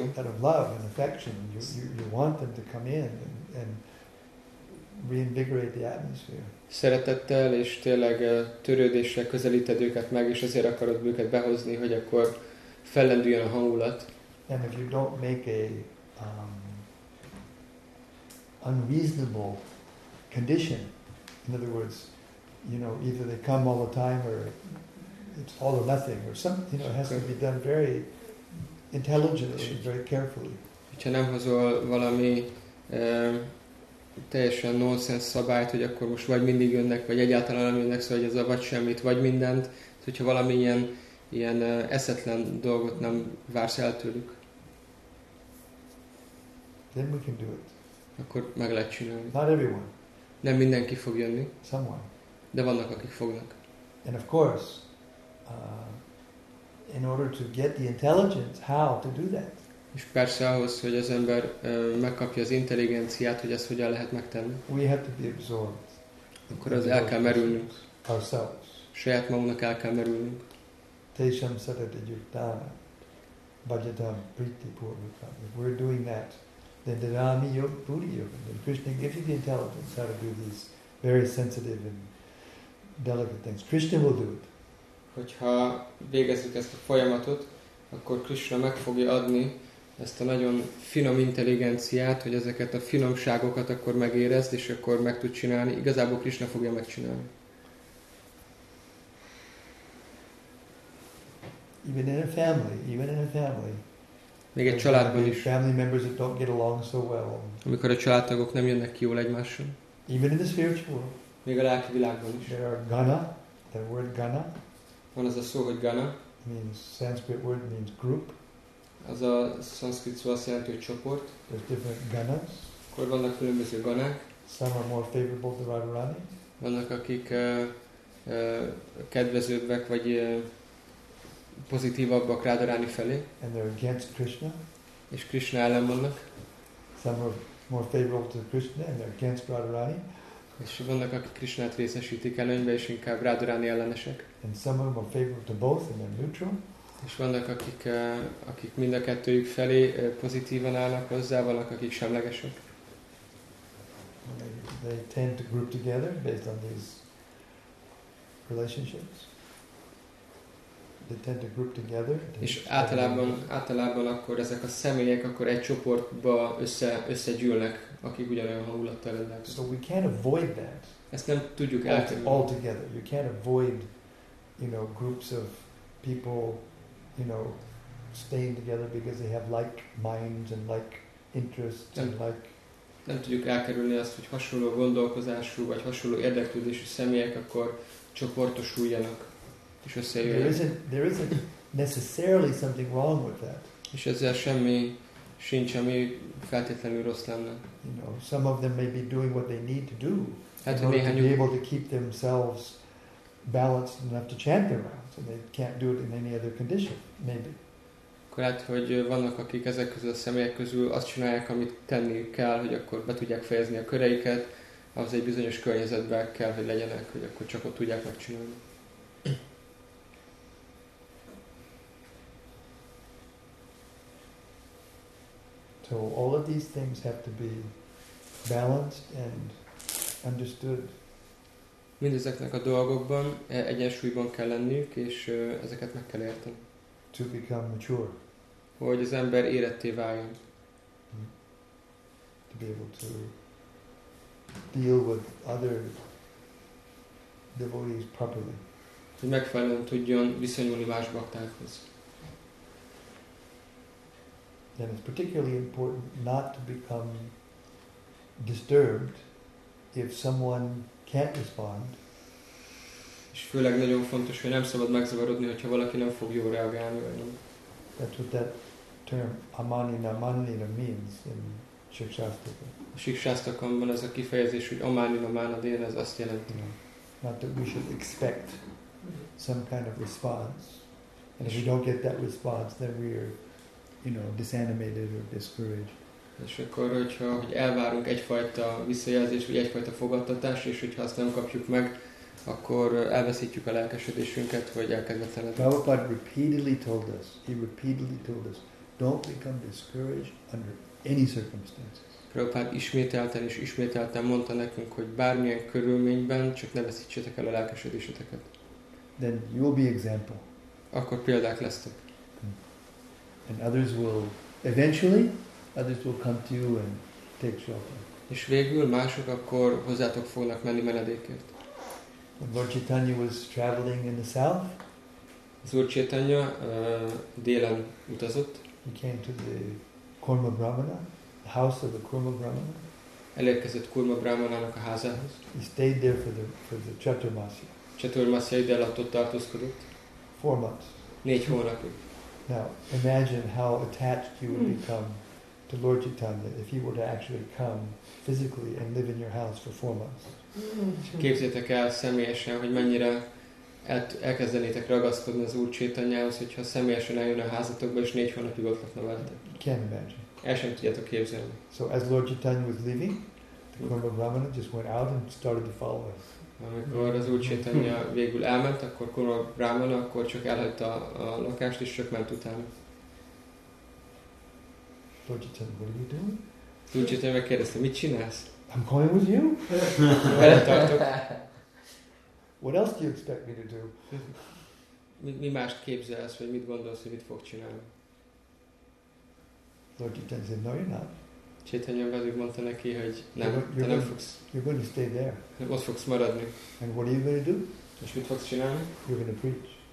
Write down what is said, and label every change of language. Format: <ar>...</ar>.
<en>Out of love and affection, you want them to come in and reinvigorate the atmosphere.</en> <hu>Szeretettel és tényleg törődéssel közelíted őket meg, és azért akarod őket behozni, hogy akkor fellendüljön a hangulat.</hu> <en>And if you don't make a unreasonable condition, in other words, you know, either they come all the time or it's all or nothing, or something, you know, it has to be done very intelligently, very carefully.</en> <hu>Hogyha nem hozol valami teljesen nonsense szabályt, hogy akkor most vagy mindig jönnek, vagy egyáltalán nem jönnek, szóval ez a vagy semmit, vagy mindent. Tehát, hogyha valami ilyen eszetlen dolgot nem vársz el tőlük,</hu> <en>then we can do it.</en> <hu>Akkor meg lehet csinálni.</hu> <en>Not everyone.</en> <hu>Nem mindenki fog jönni.</hu> <en>Someone.</en> <hu>De vannak, akik fognak.</hu> <en>And of course, in order to get the intelligence, how to do that?</en> <hu>És persze ahhoz, hogy az ember megkapja az intelligenciát, hogy ezt hogyan lehet megtenni.</hu> <en>We have to be absorbed.</en> <hu>Akkor az el kell merülnünk.</hu> <en>Ourselves.</en> <hu>Saját magunknak el kell merülnünk.</hu> <sa>Tesham satatajutana, bhajatam priti purvika.</sa> <en>If we're doing that, then</en> <sa>dadami yoga puri yoga.</sa> <en>Then Krishna gives you the intelligence how to do these very sensitive and delicate things. Krishna will do it.</en> <hu>Hogyha végezzük ezt a folyamatot, akkor Krishna meg fogja adni ezt a nagyon finom intelligenciát, hogy ezeket a finomságokat akkor megérezd, és akkor meg tud csinálni. Igazából Krishna fogja megcsinálni.</hu> <en>Even in a family.</en> <hu>Még egy családban is.</hu> <en>Family members that don't get along so well.</en> <hu>Amikor a családtagok nem jönnek ki jól egymással.</hu> <en>Even in the spiritual world.</en> <hu>Még a lelki világban is.</hu> <en>There are gana, the word gana.</en> <hu>Van az a szó, hogy gana.</hu> <en>Means Sanskrit word means group.</en> <hu>Az a Sanskrit szó azt jelenti, hogy csoport.</hu> <en>There's different ganas.</en> <hu>Akkor vannak különböző ganák.</hu> <en>Some are more favorable to Radharani.</en> <hu>Vannak, akik kedvezőbbek, vagy pozitívabbak Rádaráni felé.</hu> <en>And they're against Krishna.</en> <hu>És Krishna ellen vannak.</hu> <en>Some are more favorable to Krishna and they're against Rádaráni.</en> <hu>És vannak, akik Krishnát részesítik előnybe, és inkább Rádaráni ellenesek.</hu> <en>And some are more favorable to both and they're neutral.</en> <hu>És vannak, akik mind a kettőjük felé pozitívan állnak hozzá, vannak, akik semlegesek.</hu> <en>They tend to group together based on these relationships. They tend to group together.</en> <hu>És általában akkor ezek a személyek akkor egy csoportba összegyűlnek, akik ugyanolyan hangulattal rendelkeznek.</hu> <en>So we can't avoid that.</en> <hu>Ezt nem tudjuk elkerülni.</hu> <en>All together, you can't avoid, you know, groups of people, you know, staying together because they have like minds and like interests and like.</en> <hu>Nem tudjuk elkerülni azt, hogy hasonló gondolkozású vagy hasonló érdeklődésű személyek akkor csoportosuljanak és összejöjjenek.</hu> <en>There isn't necessarily something wrong with that.</en> <hu>És ezzel semmi sincs, ami feltétlenül rossz lenne.</hu> <en>You know, some of them may be doing what they need to do in order to be able to keep themselves balanced enough to chant their rounds, and they can't do it in any other condition, maybe.</en> <hu>Lehet, hogy vannak, akik ezek közül a személyek közül azt csinálják, amit tenni kell, hogy akkor be tudják fejezni a köreiket, az egy bizonyos környezetben kell, hogy legyenek, hogy akkor csak ott tudják megcsinálni.</hu> <en>So all of these things have to be balanced and understood.</en> <hu>Mindezeknek a dolgokban egyensúlyban kell lenniük, és ezeket meg kell érteni.</hu> <en>To become mature.</en> <hu>Hogy az ember éretté váljon.</hu> <en>To be able to deal with other devotees properly.</en> <hu>Hogy megfelelően tudjon viszonyulni más baktákhoz.</hu> <en>Then it's particularly important not to become disturbed if someone can't respond.</en> <hu>És főleg nagyon fontos, hogy nem szabad megzavarodni, hogyha valaki nem fog jól reagálni.</hu> <en>That's what that term amanina manina means in Shikshastaka.</en> <hu>A Shikshastakamban ez a kifejezés, hogy amanina manadina, ez azt jelenti.</hu> <en>You know, not that we should expect some kind of response. And if we don't get that response, then we're, you know, disanimated or discouraged.</en> <hu>És akkor, hogy elvárunk egyfajta visszajelzést, vagy egyfajta fogadtatást, és hogyha azt nem kapjuk meg, akkor elveszítjük a lelkesedésünket, vagy elkezdetlenedünk.</hu> <en>Prabhupada repeatedly told us, don't become discouraged under any circumstances.</en> <hu>Prabhupada ismételten mondta nekünk, hogy bármilyen körülményben csak ne veszítsetek el a lelkesedéseteket.</hu> <en>Then you will be example.</en> <hu>Akkor példák lesztek.</hu> <en>And others will eventually, others will come to you and take shelter.</en> <hu>És végül mások akkor hozzátok fognak menni menedékért.</hu> <en>When Lord Chaitanya was traveling in the south.</en> <hu>Lord Chaitanya délen utazott.</hu> <en>He came to the Kurma Brahmana, the house of the Kurma Brahmana.</en> <hu>Elérkezett Kurma Brahmanának a házához.</hu> <en>He stayed there for the Chaturmasya.</en> <hu>Chaturmasya ide alatt ott tartózkodott.</hu> <en>4 months.</en> <hu>4 hónapig.</hu> <en>Now imagine how attached you would become to Lord Chaitanya if he were to actually come physically and live in your house for 4 months.</en> <hu>Képzeljétek el személyesen, hogy mennyire elkezdenétek ragaszkodni az Úr Csétanyához, hogyha személyesen eljön a házatokba, és 4 hónapig ott lakna veletek. El sem tudjátok képzelni.</hu> <en>So as Lord Chaitanya was leaving, the Kurma Brahmana just went out and started to follow us.</en> <hu>Amikor az Úr Csétanya végül elment, akkor Kurma Brahmana akkor csak elhagyta a lakást, és csak ment utána.</hu> <en>Lord Chaitanya, what are you doing?</en> <hu>Az Úr Csétanya megkérdezte, mit csinálsz?</hu> <en>I'm going with you. What else do you expect me to do?</en> <hu>Mi mást képzelsz, vagy mit gondolsz, hogy mit fog csinálni?</hu> <en>Lord Chaitanya said, no, you're not.</en> <hu>Chaitanya pedig mondta neki, hogy nem, te nem fogsz.</hu> <en>You're going to stay there.</en> <hu>Ott fogsz maradni.</hu> <en>And what are you going to do?</en> <hu>És mit fogsz csinálni?</hu> <en>You're going to preach.</en>